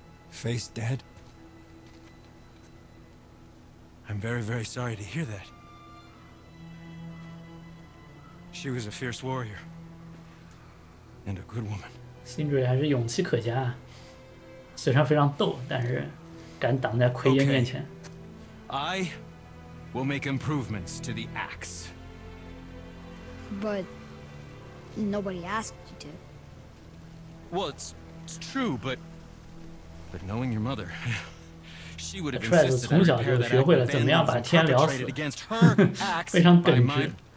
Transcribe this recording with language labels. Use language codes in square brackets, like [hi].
[en] Face dead? I'm very, very sorry to hear that. She was a fierce warrior and a good woman. [zh] Sindri 还是勇气可嘉。虽然非常逗，但是敢挡在奎爷面前。 [en] Okay. I will make improvements to the axe. But nobody asked you to. Well, it's true, but knowing your mother, she would have insisted. [zh] 从小就学会了怎么样把天聊死，非常耿直。